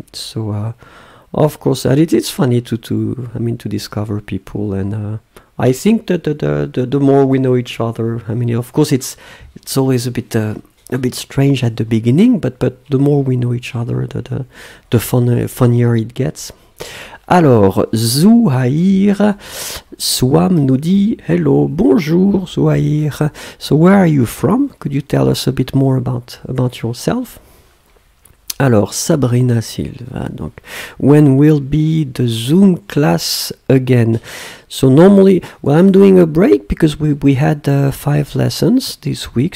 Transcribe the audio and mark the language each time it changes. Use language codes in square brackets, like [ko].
[en] So, of course, and it's funny to discover people. And I think that the more we know each other, I mean, of course, it's always a bit strange at the beginning, but the more we know each other, the funnier it gets. [fr] Alors, Zouhair Swam nous dit hello, bonjour Zouhair. [en] So where are you from? Could you tell us a bit more about yourself? Alors, Sabrina Silva, donc, when will be the Zoom class again? So normally, well, I'm doing a break because we had five lessons this week.